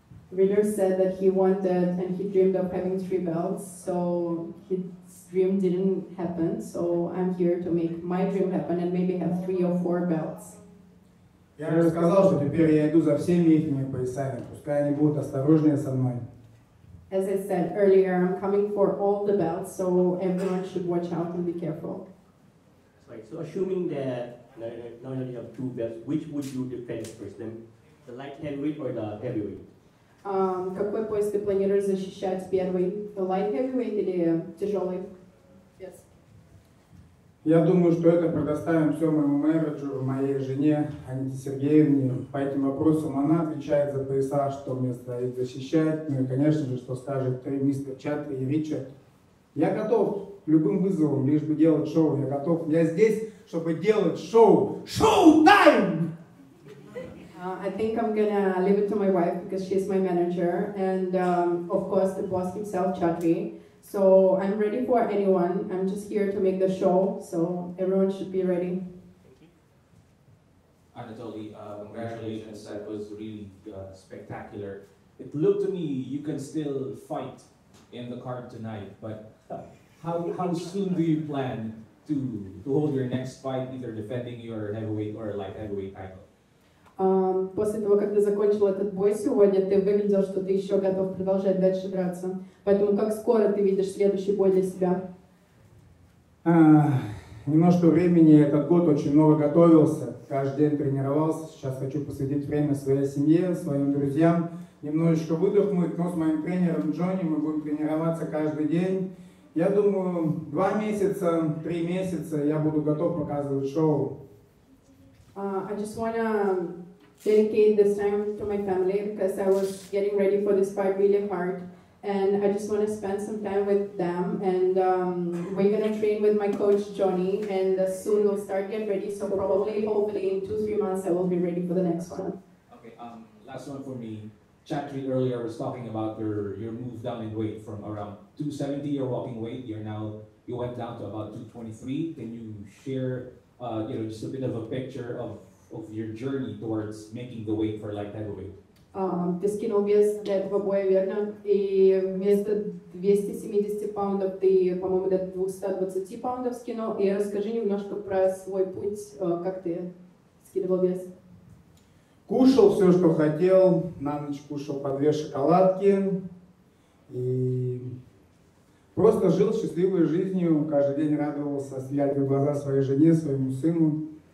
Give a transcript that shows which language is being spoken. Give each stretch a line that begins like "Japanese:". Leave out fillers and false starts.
English: Ридер said that he wanted and he dreamed of having three belts, so his dream didn't happen, so I'm here to make my dream happen and maybe have three or four belts.
Russian: Я уже сказал, что теперь я иду за всеми их поясами, пускай они будут осторожнее со мной.
English: As I said earlier, I'm coming for all the belts, so everyone should watch out and be careful. Right. So assuming that now that you have two belts, which would you defend first? The The light heavyweight or the heavyweight?
Russian: Какой пояс ты планируешь защищать первый?
English: The light heavyweight
Russian: или тяжелый?
English: Yes.
Russian: Я думаю, что это предоставим все моему менеджеру, моей жене Аните Сергеевне. По этим вопросам она отвечает за пояса, что мне стоит защищать. Ну и, конечно же, что скажет ты, мистер Чат и Ричард. Я готов к любым вызовам, лишь бы делать шоу. Я готов. Я здесь, чтобы делать шоу. Шоу-тайм!
English: I think I'm gonna leave it to my wife because she's my manager and of course the boss himself, Chatri. So I'm ready for anyone. I'm just here to make the show, so everyone should be ready. Thank you. Anatoliy, congratulations. That was really spectacular. It looked to me you can still fight in the card tonight, but how soon do you plan to hold your next fight, either defending your heavyweight or light heavyweight title?
Russian: После того, как ты закончил этот бой сегодня, ты выглядел, что ты еще готов продолжать дальше драться. Поэтому как скоро ты видишь следующий бой для себя? Немножко времени. Этот год очень много готовился. Каждый день тренировался. Сейчас хочу посвятить время своей семье, своим друзьям. Немножечко выдохнуть, но с моим тренером Джонни мы будем тренироваться каждый день. Я думаю, 2 месяца, 3 месяца я буду готов показывать шоу.
English: I just want to dedicate this time to my family because I was getting ready for this fight really hard. And I just want to spend some time with them. And we're going to train with my coach, Johnny. And soon we'll start getting ready. So probably, hopefully, in 2-3 months, I will be ready for the next one. Okay, last one for me. Chatri earlier was talking about your move down in weight from around 270, your walking weight. You went down to about 223. Can you share just a bit of a picture of your journey towards making the weight for light heavyweight?
Russian: Ты скинул вес для этого боя, верно? И вместо 270 паундов ты, по-моему, до 220 паундов скинул. И расскажи немножко про свой путь, как ты скидывал вес. Кушал все, что хотел. На ночь кушал по 2 шоколадки. И просто жил счастливой жизнью, каждый день радовался, глядя в глаза своей жене, своему сыну.